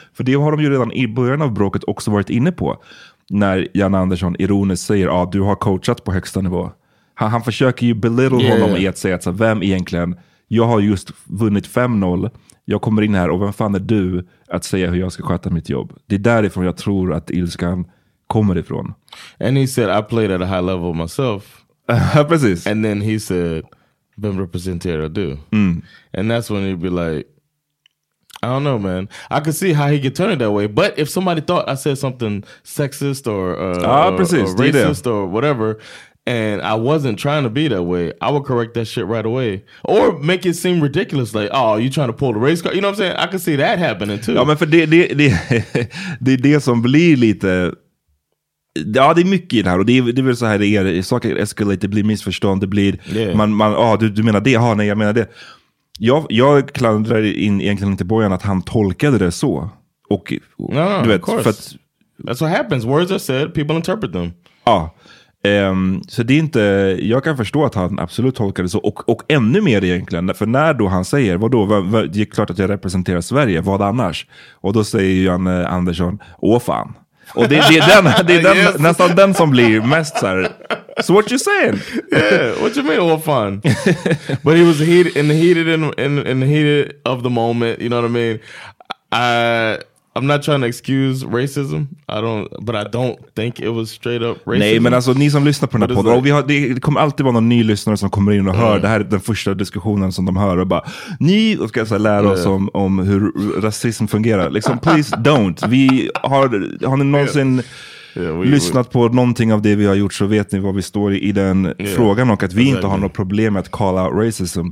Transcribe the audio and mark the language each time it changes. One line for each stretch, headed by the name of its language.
Swedish: För det har de ju redan i början av bråket också varit inne på. När Jan Andersson ironiskt säger, ja, du har coachat på högsta nivå. Han försöker ju belittle honom i att säga, att, så här, vem egentligen? Jag har just vunnit 5-0. Jag kommer in här och vem fan är du att säga hur jag ska sköta mitt jobb? Det är därifrån jag tror att ilskan kommer ifrån.
English: And he said, I played at a high level myself.
Swedish: Precis.
English: And then he said, been representing or do. Mm. And that's when he'd be like, I don't know, man. I could see how he could turn it that way. But if somebody thought I said something sexist or racist or whatever, and I wasn't trying to be that way, I would correct that shit right away. Or make it seem ridiculous, like, oh, you trying to pull the race car? You know what I'm saying? I could see that happening too.
Swedish: Ja, men för det som blir lite, ja, det är mycket i det här, och det är väl så här det är, saker eskalerar, det blir missförstånd, det blir,
English: yeah,
Swedish: du menar det, ja, nej, jag menar det. Jag klandrar in egentligen inte Bojan att han tolkade det så, och
English: no,
Swedish: du vet, för att
English: that's what happens, words are said, people interpret them.
Swedish: Ja, så det är inte, jag kan förstå att han absolut tolkade det så, och ännu mer egentligen, för när då han säger, vadå, det är klart att jag representerar Sverige, vad annars? Och då säger Jan Andersson, åh fan. Och det är den, yes, nästan den som blir mest så här.
English: So what you saying? Yeah, what you mean? All fun. But he was heated, and heated in the heated of the moment, you know what I mean? I'm not trying to excuse racism. I don't think it was straight up racism.
Swedish: Nej, men alltså, ni som lyssnar på den här podden, like, det kommer alltid vara någon ny lyssnare som kommer in och hör det här, den första diskussionen som de hör, och bara, ni ska så här, lära oss om hur rasism fungerar. Liksom,
English: please don't.
Swedish: Har ni någonsin lyssnat på någonting av det vi har gjort, så vet ni vad vi står i den frågan, och att vi inte har något problem med att
English: call out racism.